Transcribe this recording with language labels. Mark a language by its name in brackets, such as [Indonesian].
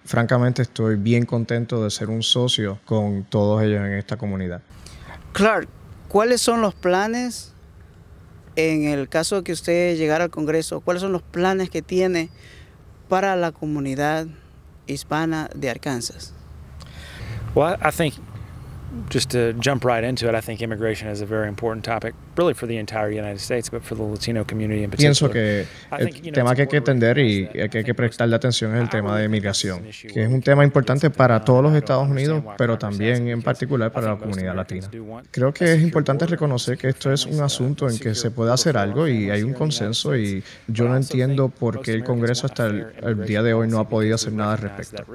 [Spanish] Francamente, estoy bien contento de ser un socio con todos ellos en esta comunidad. Clark, ¿cuáles son los planes en el caso de que usted llegara al Congreso? ¿Cuáles son los planes que tiene para la comunidad hispana de Arkansas? [English] Well, I think just to jump right into it, I think immigration is a very important topic, really for the entire United States, but for the Latino community in particular. [Spanish] Pienso que el tema que hay que atender y que hay que prestarle atención es el tema de inmigración, que es un tema importante para todos los Estados Unidos, pero también en particular para la comunidad latina. Creo que es importante reconocer que esto es un asunto en que se puede hacer algo y hay un consenso, y yo no entiendo por qué el Congreso hasta el día de hoy no ha podido hacer nada al respecto.